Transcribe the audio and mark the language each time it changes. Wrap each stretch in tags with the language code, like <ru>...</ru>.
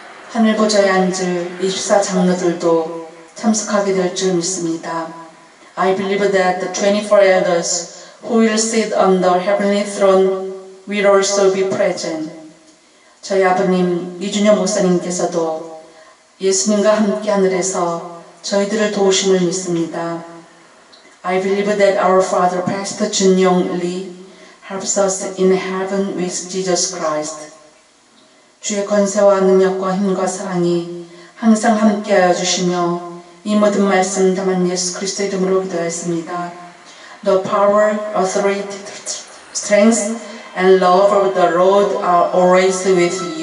<ko>하늘 보좌에 앉을 24장로들도 참석하게 될 줄 믿습니다.</ko> <en>I believe that the 24 elders who will sit on the heavenly throne will also be present.</en> <ko>저희 아버님 이준영 목사님께서도 예수님과 함께 하늘에서 저희들을 도우심을 믿습니다.</ko> <en>I believe that our Father Pastor Jun Yong Lee helps us in heaven with Jesus Christ.</en> <ko>주의 권세와 능력과 힘과 사랑이 항상 함께하여 주시며 이 모든 말씀 담은 예수 그리스도의 이름으로 기도했습니다.</ko> <en>The power, authority, strength, and love of the Lord are always with you, with me, and all these words are prayed</en>